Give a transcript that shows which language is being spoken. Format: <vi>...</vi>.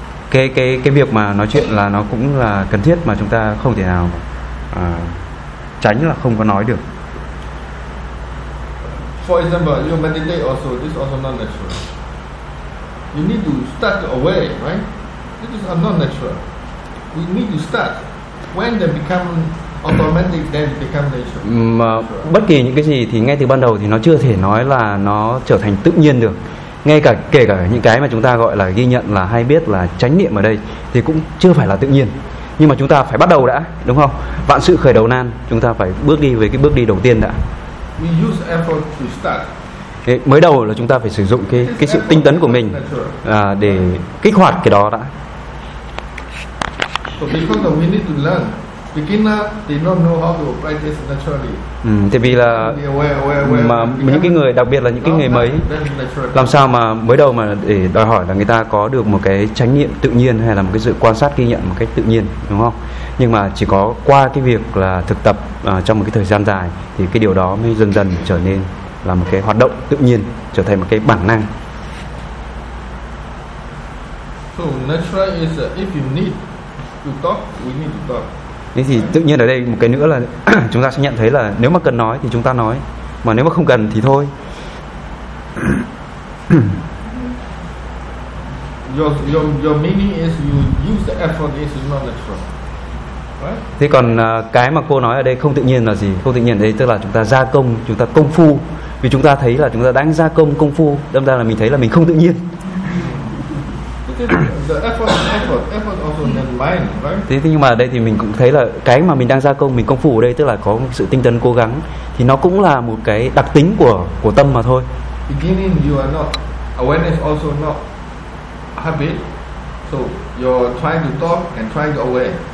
<vi>Thì cái việc mà nói chuyện là nó cũng là cần thiết mà chúng ta không thể nào tránh là không có nói được.</vi> <en>For example, you meditate also, this is also not natural. You need to start away, right? This is not natural. We need to start. When they become automatic, then become natural.</en> <vi>Mà bất kỳ những cái gì thì ngay từ ban đầu thì nó chưa thể nói là nó trở thành tự nhiên được. Ngay cả kể cả những cái mà chúng ta gọi là ghi nhận là hay biết là chánh niệm ở đây thì cũng chưa phải là tự nhiên. Nhưng mà chúng ta phải bắt đầu đã, đúng không? Vạn sự khởi đầu nan, chúng ta phải bước đi với cái bước đi đầu tiên đã.</vi> <en>We use effort to start.</en> <vi>Mới đầu là chúng ta phải sử dụng cái sự tinh tấn của mình để kích hoạt cái đó đã.</vi> <en>So because that we need to learn. Beginner they don't know how to practice naturally.</en> <vi>Tại vì là</vi> <en>aware,</en> <vi>những cái người, đặc biệt là những cái người mới, làm sao mà mới đầu mà để đòi hỏi là người ta có được một cái chánh niệm tự nhiên hay là một cái sự quan sát ghi nhận một cách tự nhiên, đúng không? Nhưng mà chỉ có qua cái việc là thực tập trong một cái thời gian dài thì cái điều đó mới dần dần trở nên là một cái hoạt động tự nhiên, trở thành một cái bản năng.</vi> <en>So natural is if you need to talk, we need to talk.</en> <vi>Thế thì tự nhiên ở đây một cái nữa là chúng ta sẽ nhận thấy là nếu mà cần nói thì chúng ta nói, mà nếu mà không cần thì thôi.</vi> <en>Your meaning is you use the effort is not natural, right?</en> <vi>Thế còn cái mà cô nói ở đây không tự nhiên là gì? Không tự nhiên ở đây tức là chúng ta gia công, chúng ta công phu. Vì chúng ta thấy là chúng ta đang gia công phu, đâm ra là mình thấy là mình không tự nhiên.</vi> <en>The effort also than mind, right?</en> <vi>Thế nhưng mà ở đây thì mình cũng thấy là cái mà mình đang gia công, mình công phu ở đây tức là có sự tinh tấn cố gắng, thì nó cũng là một cái đặc tính của tâm mà thôi.</vi> <en>Beginning you are not awareness also not habit, so you're trying to talk and trying to aware.</en>